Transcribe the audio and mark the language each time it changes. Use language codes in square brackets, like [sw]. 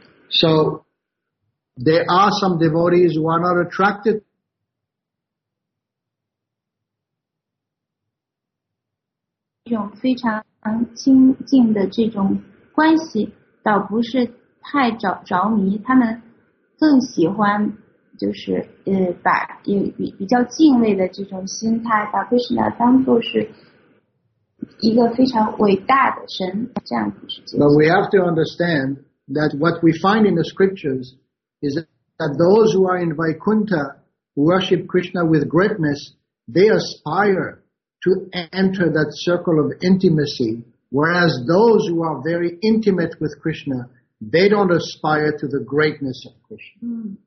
[en] So there are some devotees who are not attracted to [zh] 这种非常亲近的这种关系，倒不是太着迷，他们更喜欢就是把比较敬畏的这种心态，把 Krishna 当作是一个非常伟大的神这样子去接近。 [en] But we have to understand that what we find in the scriptures is that those who are in Vaikuntha who worship Krishna with greatness, they aspire to enter that circle of intimacy. Whereas those who are very intimate with Krishna, they don't aspire to the greatness of Krishna.